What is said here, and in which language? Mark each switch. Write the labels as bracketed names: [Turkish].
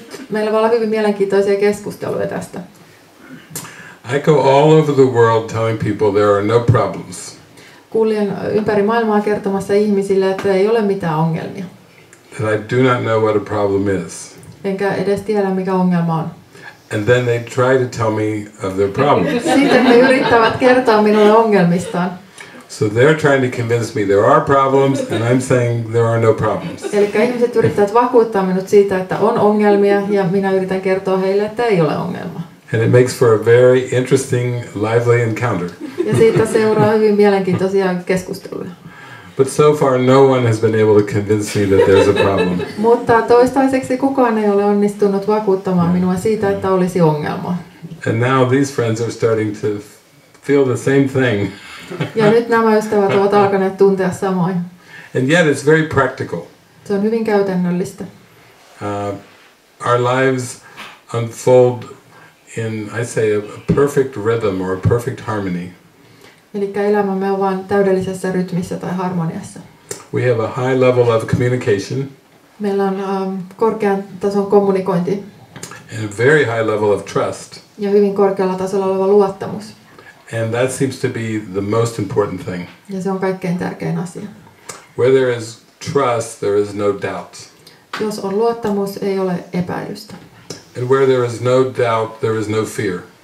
[Finnish] Meillä voi olla hyvin mielenkiintoisia keskusteluja tästä. [English] I go all over the world telling people there are no problems. [Finnish] Kuljen ympäri maailmaa kertomassa ihmisille, että ei ole mitään ongelmia. [English] That I do not know what a problem is. [Finnish] Enkä edes tiedä, mikä ongelma on. [English] And then they try to tell me of their problems. [Finnish] Sitten he yrittävät kertoa minulle ongelmistaan. [English] So they're trying to convince me there are problems, and I'm saying there are no problems. [Finnish] Elikkä ihmiset yrittävät vakuuttaa minut siitä, että on ongelmia, ja minä yritän kertoa heille, että ei ole ongelma. [English] And it makes for a very interesting, lively encounter. [Finnish] Ja siitä seuraa hyvin mielenkiintoisia keskusteluja. [English] But so far no one has been able to convince me that there's a problem. [Finnish] Mutta toistaiseksi kukaan ei ole onnistunut vakuuttamaan minua siitä, että olisi ongelma. [English] And now these friends are starting to feel the same thing. [Finnish] Ja nyt nämä ystävät ovat alkaneet tuntea samoin. [English] And yet it's very practical. [Finnish] Se on hyvin käytännöllistä. [English] Our lives unfold in, I say, a perfect rhythm or a perfect harmony. [Finnish] Elikkä elämämme on vain täydellisessä rytmissä tai harmoniassa. [English] We have a high level of communication. [Finnish] Meillä on korkean tason kommunikointi. [English] And a very high level of trust. [Finnish] Ja hyvin korkealla tasolla oleva luottamus. [English] And that seems to be the most important thing. [Finnish] Ja se on kaikkein tärkein asia. [English] Where there is trust, there is no doubt. [Finnish] Jos on luottamus, ei ole epäilystä. [English] And where there is no doubt, there is no fear.